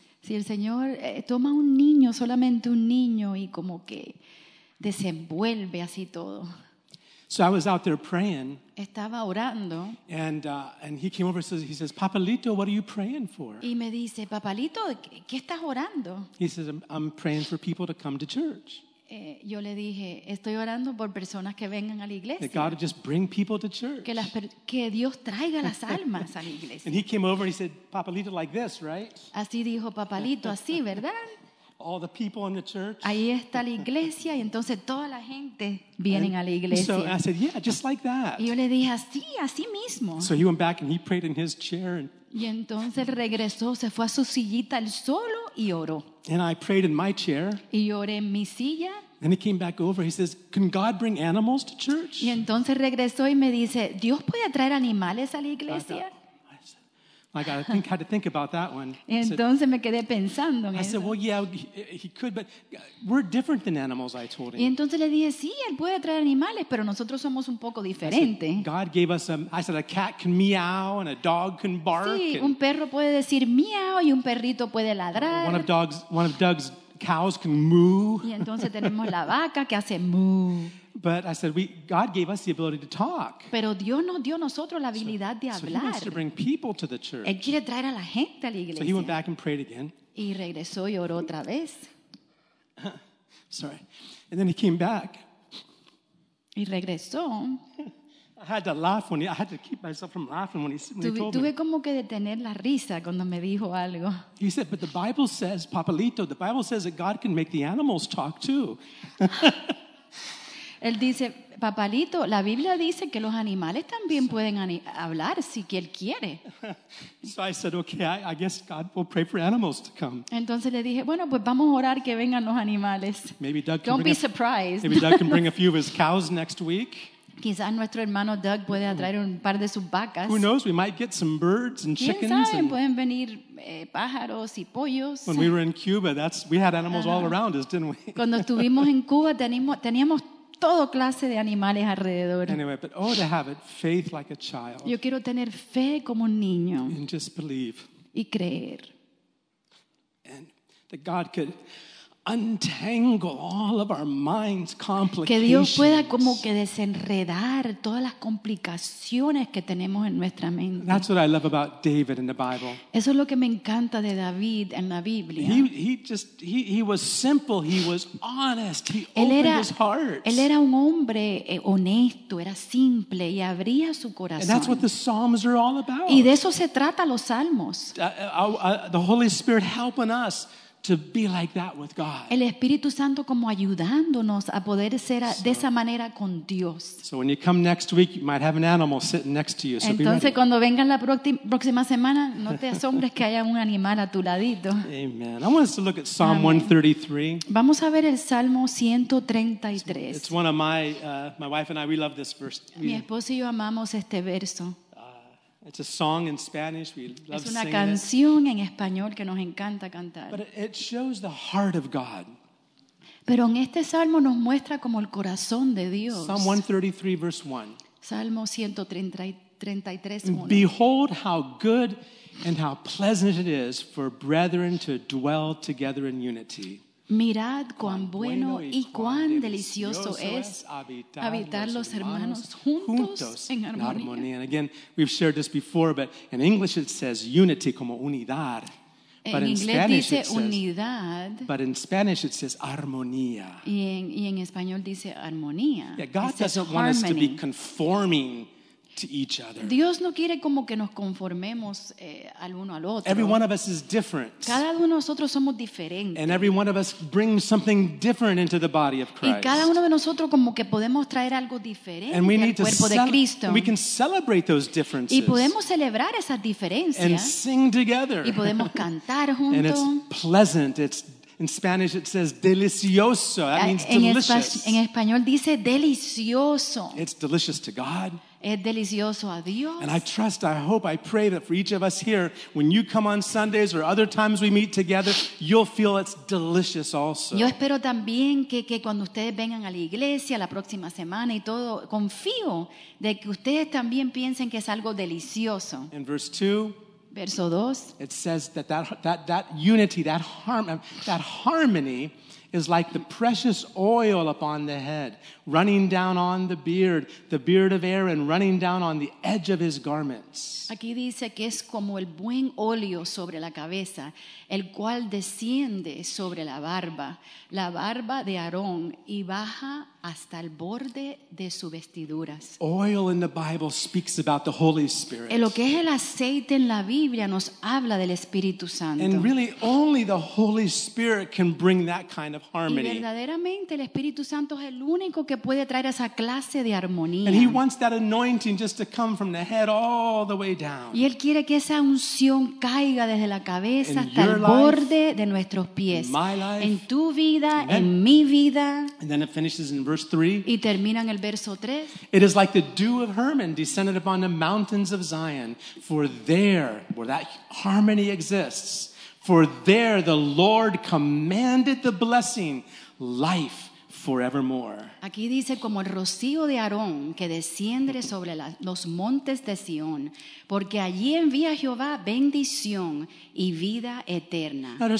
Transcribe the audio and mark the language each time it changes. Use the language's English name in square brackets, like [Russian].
[Spanish] Sí, el Señor toma un niño, solamente un niño, y como que desenvuelve así todo. [English] So I was out there praying. [Spanish] Estaba orando. [English] And he came over and he says, Papalito, what are you praying for? [Spanish] Y me dice, Papalito, ¿qué estás orando? [English] He says, I'm praying for people to come to church. [Spanish] Yo le dije, estoy orando por personas que vengan a la iglesia. [English] That God just bring people to church. [Spanish] Que Dios traiga las almas a la iglesia. [English] And he came over and he said, Papalito, like this, right? [Spanish] Así dijo Papalito, así, ¿verdad? [English] All the people in the church. [Spanish] Ahí está la iglesia y entonces toda la gente viene a la iglesia. [English] So I said, yeah, just like that. [Spanish] Y yo le dije, así, así mismo. [English] So he went back and he prayed in his chair. And [Spanish] y entonces regresó, se fue a su sillita él solo y oró. [English] And I prayed in my chair. [Spanish] Y oré en mi silla. [English] And he came back over. He says, "Can God bring animals to church?" [Spanish] Y entonces regresó y me dice, "¿Dios puede traer animales a la iglesia?" [English] I had to think about that one. [Spanish] Entonces me quedé pensando en eso. [English] I said, "Well, yeah, he could, but we're different than animals." I told him. [Spanish] Y entonces le dije, "Sí, él puede traer animales, pero nosotros somos un poco diferente." [English] God gave us a cat can meow and a dog can bark. [Spanish] Sí, un perro puede decir miau y un perrito puede ladrar. [English] One of Doug's cows can moo. [Spanish] Y entonces tenemos la vaca que hace moo. [English] But I said, God gave us the ability to talk. [Spanish] Pero Dios nos dio nosotros la habilidad de hablar. [English] So he wants to bring people to the church. [Spanish] Él quiere traer a la gente a la iglesia. [English] So he went back and prayed again. [Spanish] Y regresó y oró otra vez. [English] Sorry. And then he came back. [Spanish] Y regresó. [English] I had to laugh when I had to keep myself from laughing when he told me. [Spanish] Tuve como que detener la risa cuando me dijo algo. [English] He said, "But the Bible says, Papalito, the Bible says that God can make the animals talk too." [Spanish] Él dice, Papalito, la Biblia dice que los animales también pueden hablar si que él quiere. [English] So I said, okay, I guess God will pray for animals to come. [Spanish] Entonces le dije, bueno, pues vamos a orar que vengan los animales. [English] Maybe Doug can Don't be surprised. Maybe Doug can bring a few of his cows next week. [Spanish] Quizás nuestro hermano Doug puede atraer un par de sus vacas. [English] Who knows? We might get some birds and chickens. [Spanish] ¿Quién sabe? [English] And [Spanish] pueden venir pájaros y pollos. [English] When we were in Cuba, we had animals all around us, didn't we? [Spanish] Cuando estuvimos en Cuba, teníamos todo clase de animales alrededor. [English] Anyway, but oh, to have it, faith like a child. [Spanish] Yo quiero tener fe como un niño. [English] And just believe. [Spanish] Y creer. [English] And that God could untangle all of our mind's complications. [Spanish] Que Dios pueda como que desenredar todas las complicaciones que tenemos en nuestra mente. [English] That's what I love about David in the Bible. [Spanish] Eso es lo que me encanta de David en la Biblia. [English] He was simple, he was honest, he opened his heart. [Spanish] Él era un hombre honesto, era simple y abría su corazón. [English] And that's what the Psalms are all about. [Spanish] Y de eso se trata los Salmos. [English] The Holy Spirit helping us to be like that with God. [Spanish] El Espíritu Santo como ayudándonos a poder ser de esa manera con Dios. [English] So when you come next week, you might have an animal sitting next to you. So [Spanish] entonces cuando vengan la próxima semana, no te asombres que haya un animal a tu ladito. [English] Amen. I want us to look at Psalm 133. [Spanish] Vamos a ver el Salmo 133. [English] It's one of my wife and I, we love this verse. [Spanish] Mi esposo y yo amamos este verso. [English] It's a song in Spanish. We love singing it. [Spanish] Es una canción en español que nos encanta cantar. [English] But it shows the heart of God. [Spanish] Pero en este salmo nos muestra como el corazón de Dios. [English] Psalm 133, verse 1. [Spanish] Salmo 133, 1. [English] Behold how good and how pleasant it is for brethren to dwell together in unity. [Spanish] Mirad cuán bueno y cuán delicioso es habitar los hermanos juntos en armonía. [English] And again, we've shared this before, but in English it says unity, [Spanish] como unidad. but en inglés dice unidad. [English] But in Spanish it says armonía. [Spanish] Y en español dice armonía. [English] Yeah, God doesn't want us to be conforming to each other. [Spanish] Dios no quiere como que nos conformemos al uno al otro. [English] Every one of us is different. [Spanish] Cada uno de nosotros somos diferentes. [English] And every one of us brings something different into the body of Christ. [Spanish] Y cada uno de nosotros como que podemos traer algo diferente al cuerpo de Cristo. [English] And we can celebrate those differences. [Spanish] Y podemos celebrar esas diferencias. [English] And sing together. [Spanish] Y podemos cantar juntos. [English] And it's pleasant. In Spanish it says delicioso. That means delicious. [Spanish] En español dice delicioso. [English] It's delicious to God. [Spanish] Es delicioso a Dios. [English] And I trust, I hope, I pray that for each of us here, when you come on Sundays or other times we meet together, you'll feel it's delicious also. [Spanish] Yo espero también que cuando ustedes vengan a la iglesia la próxima semana y todo, confío de que ustedes también piensen que es algo delicioso. [English] In verse 2, [Spanish] verso 2, [English] it says that unity, that harmony is like the precious oil upon the head, running down on the beard of Aaron, running down on the edge of his garments. [Spanish] Aquí dice que es como el buen óleo sobre la cabeza, el cual desciende sobre la barba de Aarón, y baja hasta el borde de sus vestiduras. [English] Oil in the Bible speaks about the Holy Spirit. [Spanish] En lo que es el aceite en la Biblia nos habla del Espíritu Santo. [English] And really, only the Holy Spirit can bring that kind of harmony. [Spanish] Y verdaderamente el Espíritu Santo es el único que puede traer esa clase de armonía. [English] And He wants that anointing just to come from the head all the way down. [Spanish] Y él quiere que esa unción caiga desde la cabeza hasta el borde de nuestros pies. [English] In my life, [Spanish] en tu vida, en mi vida. [English] And then it finishes in verse 3. [Spanish] Y termina en el verso 3. [English] It is like the dew of Hermon descended upon the mountains of Zion, for there, where that harmony exists, for there the Lord commanded the blessing, life forevermore. [Spanish] Aquí dice como el rocío de Aarón que desciende sobre los montes de Sion, porque allí envía Jehová bendición y vida eterna.